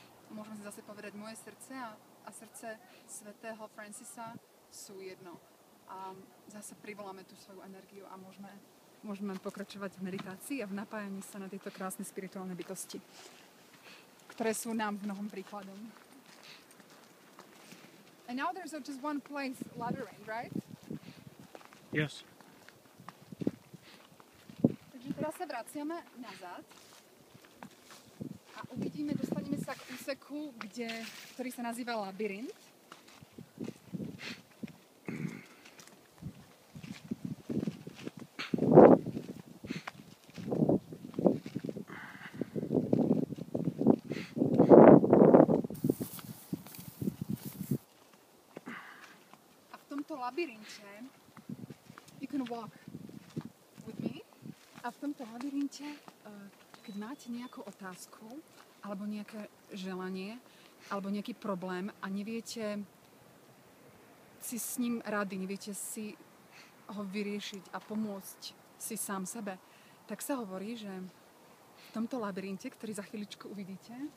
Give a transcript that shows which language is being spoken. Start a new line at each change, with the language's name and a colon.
Slovak: Môžeme si zase povedať, moje srdce a srdce svätého Francisa sú jedno. A zase privoláme tú svoju energiu a môžeme pokračovať v meditácii a v napájaní sa na tieto krásne spirituálne bytosti, ktoré sú nám v mnohom príkladom.
English: And now there's just one place, Lateran, right? Yes.
Slovak: Takže teraz sa vraciame nazad. Uvidíme, dostaneme sa k úseku, ktorý sa nazýva labyrint. A v tomto labyrinte
English: you can walk with me.
Slovak: A v tomto labyrinte keď máte nejakú otázku alebo nejaké želanie alebo nejaký problém a neviete si s ním rady, neviete si ho vyriešiť a pomôcť si sám sebe, tak sa hovorí, že v tomto labyrinte, ktorý za chvíličku uvidíte,